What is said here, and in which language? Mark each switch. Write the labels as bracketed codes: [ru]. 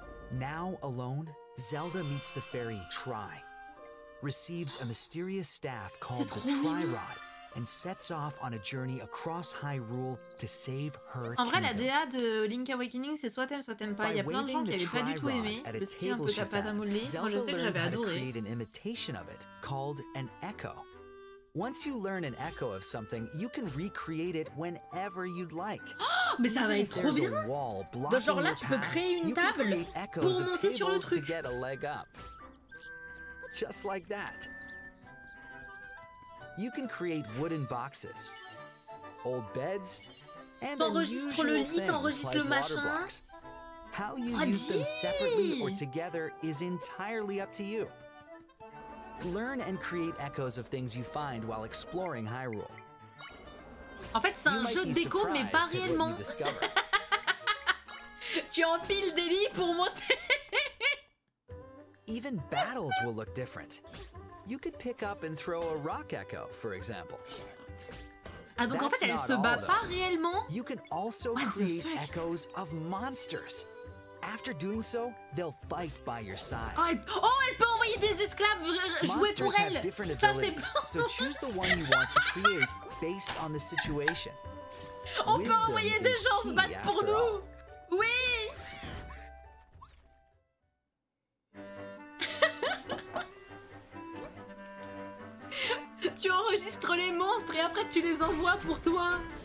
[en] Now alone, Zelda meets the fairy Tri, receives a mysterious staff called the Tri Rod, and sets off on a journey across Hyrule to save her kingdom. [fr] En vrai, la DA de Link Awakening, c'est soit t'aimes pas. Il y a plein de gens qui n'avaient pas du tout aimé. Le style un peu tapatamoulé. Moi, je sais que j'avais adoré. Zelda [en] created an imitation of it called an echo. Once you learn an echo of something, you can recreate it whenever you'd like. [fr] Oh, mais ça va être trop bien. Dans genre là, tu peux créer une table pour monter sur le truc. [en] Get a leg up. Just like that. You can create wooden boxes, old beds, and unusual things like water blocks. How you use them separately or together is entirely up to you. Learn and create echoes of things you find while exploring Hyrule. [fr] En fait, c'est un jeu de déco, mais pas réellement. Tu empiles des lits pour monter. Even battles will look different. You could pick up and throw a rock echo, for example. Ah, donc that's en fait, elle se bat pas réellement. [en] You can also what create echoes of monsters. After doing so, they'll fight by your side. [fr] Elle peut envoyer des esclaves jouer pour elle. Monsters have different abilities, so choose the one you want to create based on the situation. On peut envoyer des gens se battre pour nous. All. Oui. Tu enregistres les monstres et après tu les envoies pour toi.